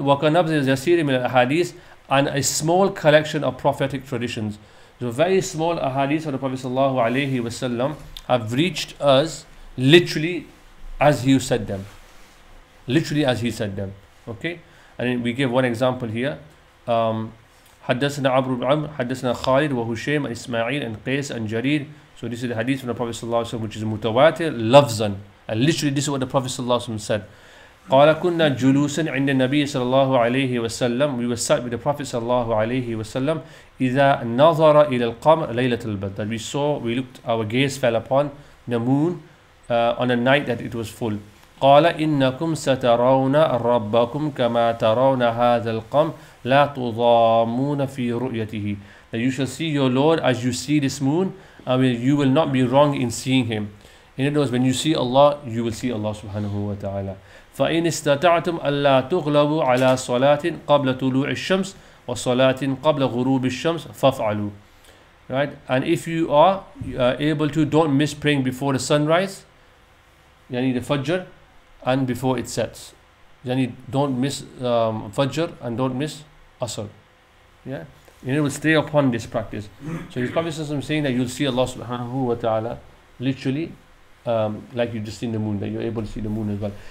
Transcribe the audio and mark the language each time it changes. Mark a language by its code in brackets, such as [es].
[ar] Wakanabz is yasiri min al-ahadith, [en] and a small collection of prophetic traditions. So very small ahadith of the Prophet sallallahu alayhi wa sallam have reached us literally as he said them. Literally as he said them. Okay, and we give one example here. [ar] حدثنا عمرو بن عمرو حدثنا خالد وهشيم إسماعيل and قيس and جرير. [en] So this is the hadith from the Prophet صلى الله عليه وسلم, which is mutawatir lafzan, and literally this is what the Prophet صلى الله عليه وسلم said. [ar] قال كنا جلوسا عند النبي صلى الله عليه وسلم. [en] We were sat with the Prophet صلى الله عليه وسلم. [ar] إذا نظر إلى القمر ليلة البدر. [en] That we looked, our gaze fell upon the moon on a night that it was full. [ar] قال إنكم سترون ربكم كما ترون هذا القمر لا تضامون في رؤيته. [en] That you shall see your Lord as you see this moon. I mean, you will not be wrong in seeing him. In other words, when you see Allah, you will see Allah subhanahu wa ta'ala. [ar] فإن استطعتم ألا تغلبوا على صلاة قبل طلوع الشمس وصلاة قبل غروب الشمس فافعلوا. [en] Right? And if you are able to, don't miss praying before the sunrise, يعني the Fajr, and before it sets. Yani don't miss Fajr and don't miss Asr. Yeah? And it will stay upon this practice. So his Prophet is saying that you'll see Allah subhanahu wa ta'ala literally like you just seen the moon, that you're able to see the moon as well.